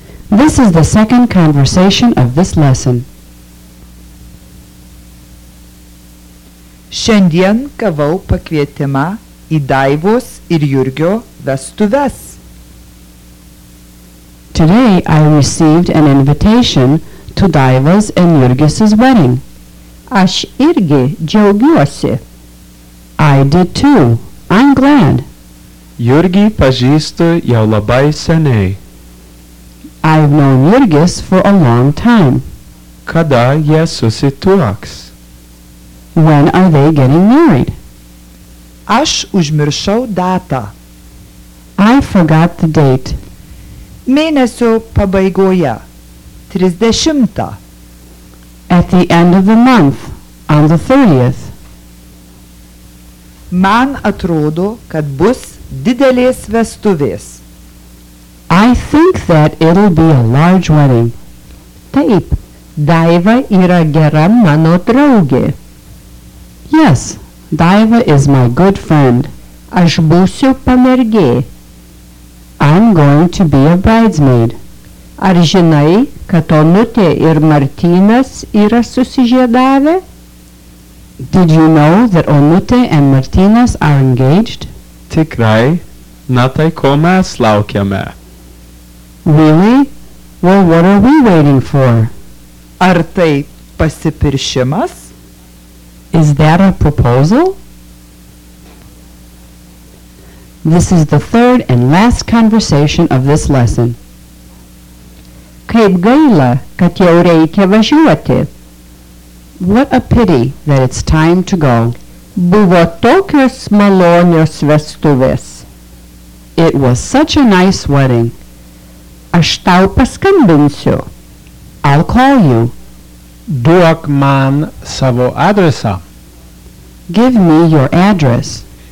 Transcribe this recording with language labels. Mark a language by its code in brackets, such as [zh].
[en] This is the second conversation of this lesson. [lt] Šiandien gavau pakvietimą į Daivos ir Jurgio vestuves. [en] Today I received an invitation to Daivos and Jurgis's wedding. [lt] Aš irgi džiaugiuosi. [en] I did too. I'm glad. [lt] Jurgį pažįstu jau labai seniai. [en] I've known Jurgis for a long time. [lt] Kada jie susituoks? [en] When are they getting married? [lt] Aš užmiršau datą. [en] I forgot the date. [lt] Mėnesio pabaigoje. 30. [en] At the end of the month, on the 30th. [lt] Man atrodo, kad bus didelės vestuvės. [en] I think that it'll be a large wedding. [lt] Taip, Daiva yra gera mano draugė. [en] Yes, Daiva is my good friend. [lt] Aš būsiu pamergė. [en] I'm going to be a bridesmaid. [lt] Ar žinai, kad Onutė ir Martynas yra susižiedavę? [en] Did you know that Onutė and Martynas are engaged? [lt] Tikrai, na tai ko mes laukiame? [en] Really? Well, what are we waiting for? [lt] Ar tai pasipiršimas? [en] Is that a proposal? This is the third and last conversation of this lesson. [lt] Kaip gaila, kad jau reikia važiuoti. [en] What a pity that it's time to go. [lt] Buvo tokios malonios vestuvės. [en] It was such a nice wedding. [lt] Aš tau paskambinsiu. [en] I'll call you. [lt] Duok man savo adresą. [en] Give me your address.